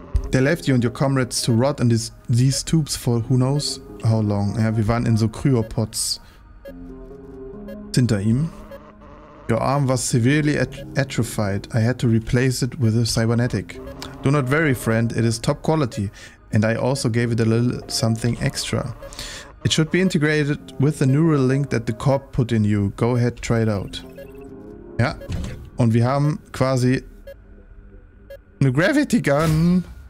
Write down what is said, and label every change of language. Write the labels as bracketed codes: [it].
[en] They left you and your comrades to rot in these tubes for who knows how long. [de] Ja, wir waren in so Kryopods hinter ihm. [en] Your arm was severely atrophied. I had to replace it with a cybernetic. Do not worry, friend. It is top quality. And I also gave it a little something extra. It should be integrated with the neural link that the corp put in you. Go ahead, try it out. [de] Ja, und wir haben quasi eine Gravity Gun.